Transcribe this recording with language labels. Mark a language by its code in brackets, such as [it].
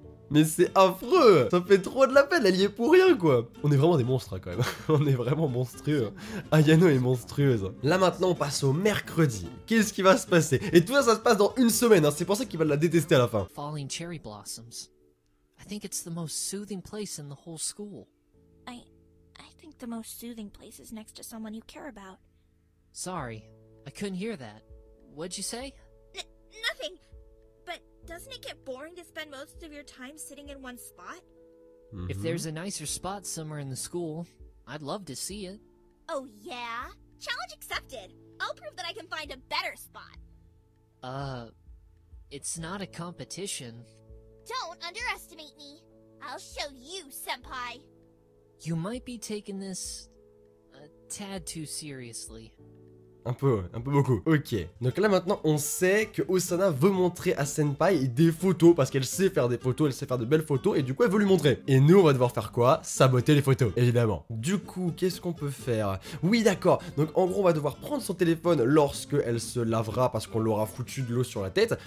[fr] Mais c'est affreux! Ça fait trop de la peine, elle y est pour rien, quoi! On est vraiment des monstres, quand même. On est vraiment monstrueux. Ayano est monstrueuse. Là, maintenant, on passe au mercredi. Qu'est-ce qui va se passer? Et tout ça, ça se passe dans une semaine, hein. C'est pour ça qu'il va la détester à la fin. [en] Falling cherry blossoms. I think it's the most soothing place in the whole school. I think the most soothing place is next to someone you care about. Sorry, I couldn't hear that. What'd you say? Nothing! Doesn't it get boring to spend most of your time sitting in one spot? Mm-hmm. If there's a nicer spot somewhere in the school, I'd love to see it. Oh yeah? Challenge accepted. I'll prove that I can find a better spot. It's not a competition. Don't underestimate me. I'll show you, Senpai. You might be taking this a tad too seriously. [fr] Un peu beaucoup. Ok. Donc là maintenant, on sait que Osana veut montrer à Senpai des photos, parce qu'elle sait faire des photos, elle sait faire de belles photos, et du coup elle veut lui montrer. Et nous, on va devoir faire quoi? Saboter les photos, évidemment. Du coup, qu'est-ce qu'on peut faire? Oui, d'accord. Donc en gros, on va devoir prendre son téléphone lorsque elle se lavera, parce qu'on l'aura foutu de l'eau sur la tête.